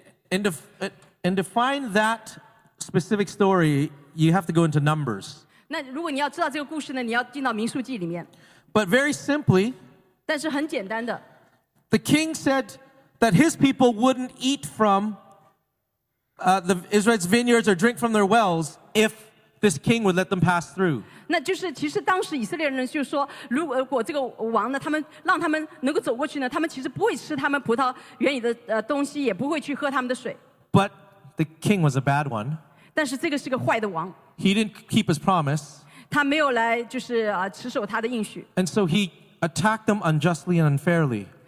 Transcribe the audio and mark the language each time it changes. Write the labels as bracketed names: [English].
[English] And to find that specific story, you have to go into Numbers. [Chinese] 那如果你要知道这个故事呢，你要进到民数记里面。 [English] But very simply. [Chinese] 但是很简单的。 [English] The king said that his people wouldn't eat from the Israelites' vineyards or drink from their wells if this king would let them pass through. [Chinese] 那就是其实当时以色列人就说，如果这个王呢，他们让他们能够走过去呢，他们其实不会吃他们葡萄园里的东西，也不会去喝他们的水。 [English] But the king was a bad one. [Chinese] 但是这个是个坏的王。 [English] He didn't keep his promise. [Chinese] 他没有来就是持守他的应许。 [English] And so he attacked them unjustly and unfairly.